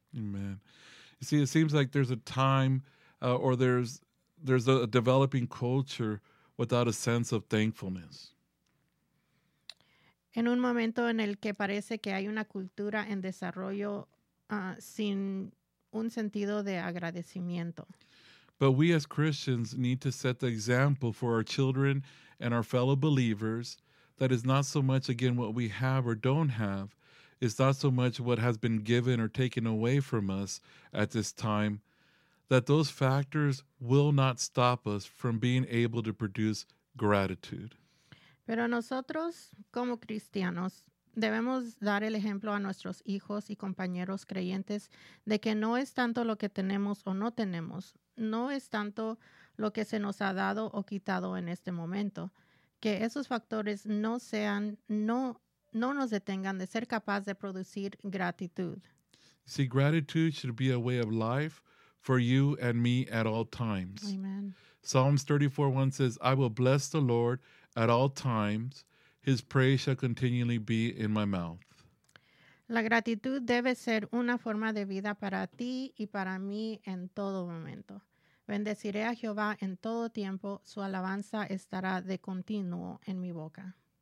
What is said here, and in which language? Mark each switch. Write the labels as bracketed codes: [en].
[en] Amen. You see, it seems like there's a time or there's a developing culture without a sense of thankfulness. [es] En un momento en el que parece que hay una cultura en desarrollo sin un sentido de agradecimiento. [en] But we as Christians need to set the example for our children and our fellow believers that is not so much, again, what we have or don't have. It's not so much what has been given or taken away from us at this time, that those factors will not stop us from being able to produce gratitude. [es] Pero nosotros, como cristianos, debemos dar el ejemplo a nuestros hijos y compañeros creyentes de que no es tanto lo que tenemos o no tenemos, no es tanto lo que se nos ha dado o quitado en este momento, que esos factores no nos detengan de ser capaz de producir gratitud. [en] See, gratitude should be a way of life for you and me at all times. Amen. Psalms 34:1 says, I will bless the Lord at all times. His praise shall continually be in my mouth. [es] La gratitud debe ser una forma de vida para ti y para mí en todo momento. Bendeciré a Jehová en todo tiempo. Su alabanza estará de continuo en mi boca.